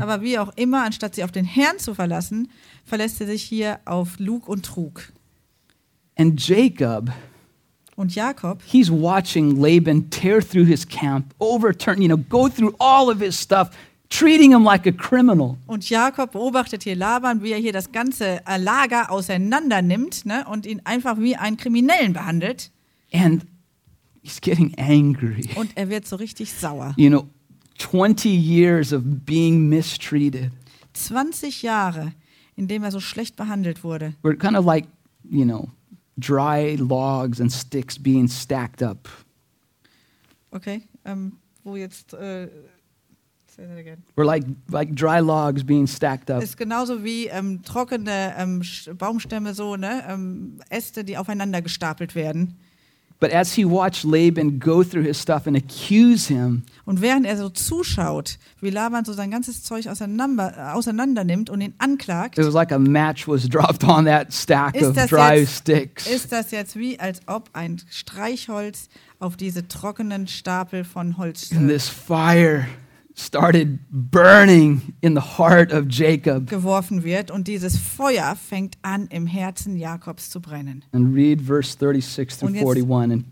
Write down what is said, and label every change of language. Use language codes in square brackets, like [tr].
[de] Aber wie auch immer, anstatt sie auf den Herrn zu verlassen, verlässt sie sich hier auf Lug und Trug. [en] And Jacob. [de] Und Jakob, [en] he's watching Laban tear through his camp, overturn, you know, go through all of his stuff, treating him like a criminal. [de] Und Jakob beobachtet hier Laban, wie er hier das ganze Lager auseinander nimmt, ne, und ihn einfach wie einen Kriminellen behandelt. [en] And he's getting angry. [de] Und er wird so richtig sauer. [en] You know, 20 years of being mistreated. [de] 20 Jahre, in dem er so schlecht behandelt wurde. [en] We're kind of like, you know, dry logs and sticks being stacked up. [de] Okay, wo jetzt, [en] say that again. We're like dry logs being stacked up. [de] Ist genauso wie trockene Baumstämme, so, ne, Äste, die aufeinander gestapelt werden. [en] But as he watched Laban go through his stuff and accuse him. [de] Und während er so zuschaut, wie Laban so sein ganzes Zeug auauseinander nimmt und ihn anklagt. [en] It was like a match was dropped on that stack of dry sticks. [de] Ist das jetzt wie als ob ein Streichholz auf diese trockenen Stapel von Holz. [en] And this fire started burning in the heart of Jacob. [de] Geworfen wird und dieses Feuer fängt an im Herzen Jakobs zu brennen. [en] And read verse 36 through 41 and